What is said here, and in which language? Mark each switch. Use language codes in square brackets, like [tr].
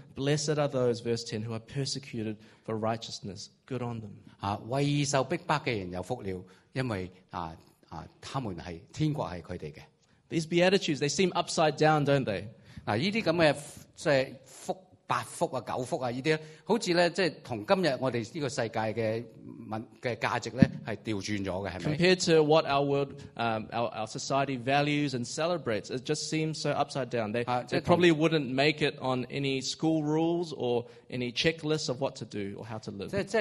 [en] Blessed are those, verse 10, who are persecuted for righteousness. Good on them. [zh] 为受逼迫的人有福了，因为他们是天国是他们的。 [en] These Beatitudes, they seem upside down, don't they? [zh] 这些福八福、九福，这些好像跟今天我们这个世界的价值是调转了的。 [en] Compared to what our world, our society values and celebrates, it just seems so upside down. They probably wouldn't make it on any school rules or any checklists of what to do or how to live.